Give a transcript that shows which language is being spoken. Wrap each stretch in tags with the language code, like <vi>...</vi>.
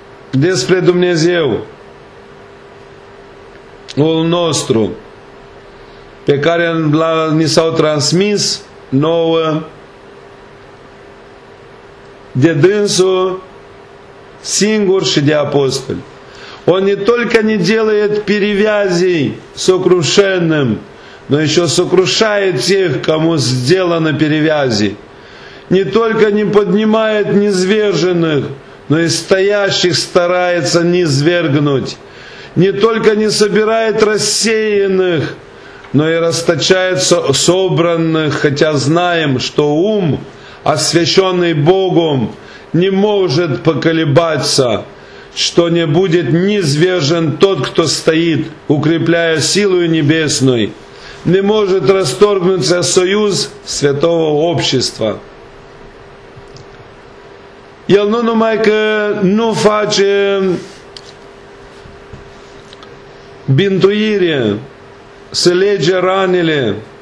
<ro>despre Dumnezeu ul nostru pe care ni s-au transmis nouă de dânsul singur și de apostoli.</ro> <ru>Он не только не делает перевязей сокрушенным, но еще сокрушает тех, кому сделаны перевязи. Не только не поднимает низверженных, но и стоящих старается низвергнуть. Не только не собирает рассеянных, но и расточает собранных, хотя знаем, что ум, освященный Богом, не может поколебаться, что не будет низвержен тот, кто стоит, укрепляя силу небесной, не может расторгнуться союз святого общества.</ru> <ro>El nu numai că nu face bintuire, se lege ranele,</ro>